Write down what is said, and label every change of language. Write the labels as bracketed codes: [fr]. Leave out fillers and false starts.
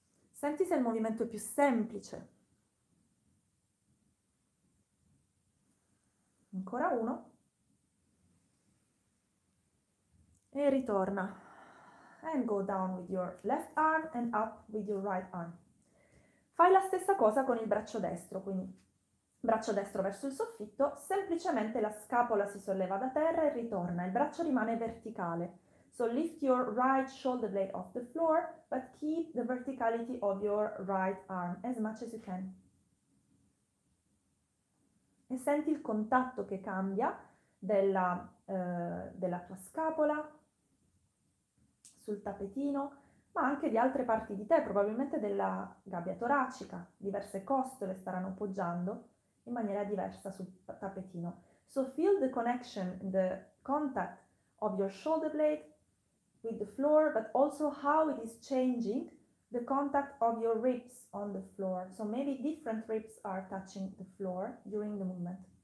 [it] Senti se il movimento è più semplice. Ancora uno. E ritorna. [en] And go down with your left arm and up with your right arm. [it] Fai la stessa cosa con il braccio destro, quindi braccio destro verso il soffitto, semplicemente la scapola si solleva da terra e ritorna. Il braccio rimane verticale. [en] So lift your right shoulder blade off the floor, but keep the verticality of your right arm as much as you can. [it] E senti il contatto che cambia della tua scapola sul tapetino, ma anche di altre parti di te, probabilmente della gabbia toracica. Diverse costole staranno poggiando in maniera diversa sul tapetino. [en] So feel the connection, the contact of your shoulder blade with the floor, but also how it is changing the contact of your ribs on the floor. So maybe different ribs are touching the floor during the movement.